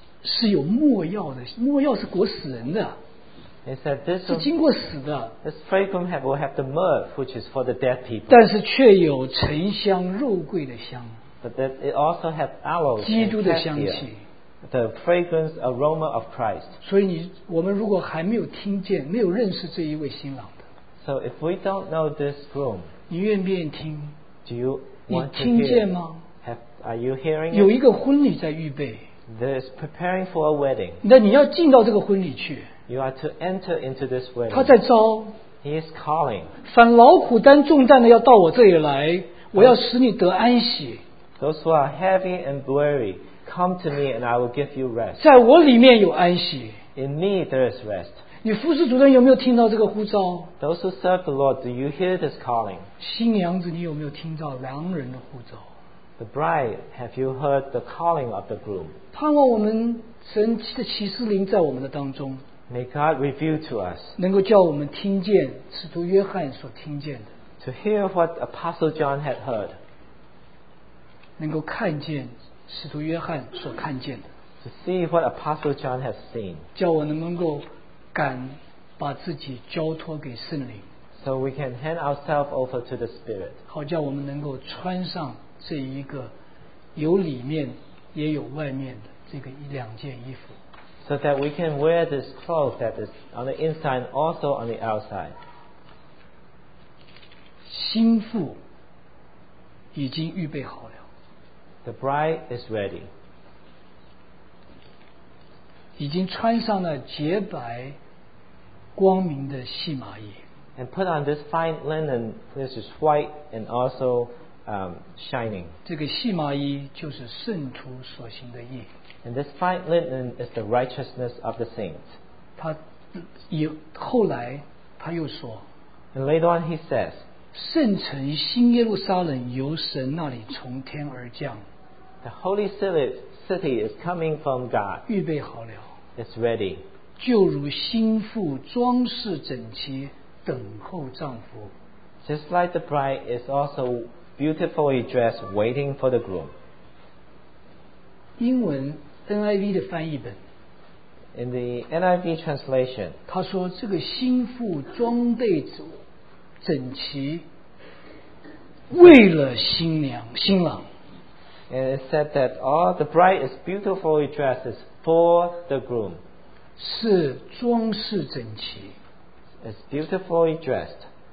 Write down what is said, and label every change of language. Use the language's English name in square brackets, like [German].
[Chinese] 是有墨药的，墨药是裹死人的。 [English] He said this [Chinese] 是经过死的。 [English] This fragrance will have the myrrh, which is for the dead people. [Chinese] 但是却有沉香、肉桂的香。 [English] But that it also has aloes. [Chinese] 基督的香气。 [English] The fragrance aroma of Christ. [Chinese] 所以我们如果还没有听见，没有认识这一位新郎的。 [English] So if we don't know this groom, [Chinese] 你愿不愿意听？ [English] Do you want to hear? [Chinese] 你听见吗？ [English] Are you hearing? [Chinese] 有一个婚礼在预备。 [English] There's preparing for a wedding. [Chinese] 那你要进到这个婚礼去。 [English] You are to enter into this wedding. [Chinese] 他在招。 [English] He is calling. [Chinese] 凡劳苦担重担的要到我这里来, 我要使你得安息。 [English] Those who are heavy and weary, come to me and I will give you rest. [Chinese] 在我里面有安息。 [English] In me there is rest. [Chinese] 你服侍主人有没有听到这个呼召？ [English] Those who serve the Lord, do you hear this calling? [Chinese] 新娘子，你有没有听到良人的呼召？ [English] The bride, have you heard the calling of the groom? [Chinese] 盼望我们神的启示灵在我们的当中。 [English] May God reveal to us. [Chinese] 能够叫我们听见使徒约翰所听见的。 [English] To hear what Apostle John had heard. [Chinese] 能够看见使徒约翰所看见的。 [English] To see what Apostle John has seen. [Chinese] 叫我能够敢把自己交托给圣灵。 [English] So we can hand ourselves over to the Spirit. [Chinese] 好叫我们能够穿上这一个有里面也有外面的这个两件衣服。 [English] So that we can wear this cloth that is on the inside and also on the outside. [Chinese] 新妇已经预备好了。 [English] The bride is ready. [Chinese] 已经穿上了洁白光明的细麻衣。 [English] And put on this fine linen, this is white and also shining. [Chinese] 这个细麻衣就是圣徒所行的义。 [English] And this fine linen is the righteousness of the saints. [Chinese] 他以后来他又说。 [English] And later on he says, [Chinese] 圣城新耶路撒冷由神那里从天而降。 [English] The holy city is coming from God. [Chinese] 预备好了。 [English] It's ready. [Chinese] 就如新妇装饰整齐等候丈夫。 [English] Just like the bride is also beautifully dressed waiting for the groom. [Chinese] 英文 NIV 的翻译本 [English] In the NIV translation [Chinese] 他说这个新妇装备整齐为了新娘新郎 [English] And it said that all the bride is beautifully dressed is for the groom [Chinese] 是装饰整齐 [English] It's beautifully dressed